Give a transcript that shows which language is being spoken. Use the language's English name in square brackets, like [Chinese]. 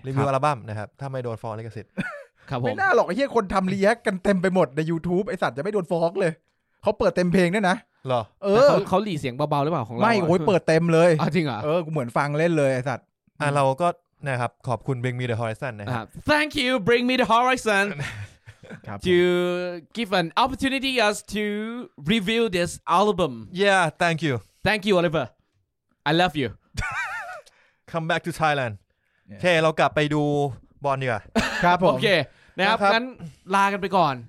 [Thai] รีวิวอัลบั้มนะครับถ้าไม่โดนฟ้องลิขสิทธิ์ครับผม ไม่น่าหรอกไอ้เหี้ยคนทำรีแอคกันเต็มไปหมดใน YouTube ไอ้สัตว์จะไม่โดนฟ้องเลยเขาเปิดเต็มเพลงด้วยนะ หรอ เขาหลีเสียงเบาๆหรือเปล่าของเรา ไม่โอ้ยเปิดเต็มเลย จริงเหรอ เออกูเหมือนฟังเล่นเลยไอ้สัตว์อ่ะเราก็นะครับขอบคุณ Bring Me The Horizon นะครับ [English] Thank you Bring Me The Horizon to give an opportunity us to review this album Yeah thank you Thank you Oliver I love you Come back to Thailand [Thai] โอเคเรากลับไปดูบอลดีกว่า ครับผม โอเคนะครับงั้นลากันไปก่อน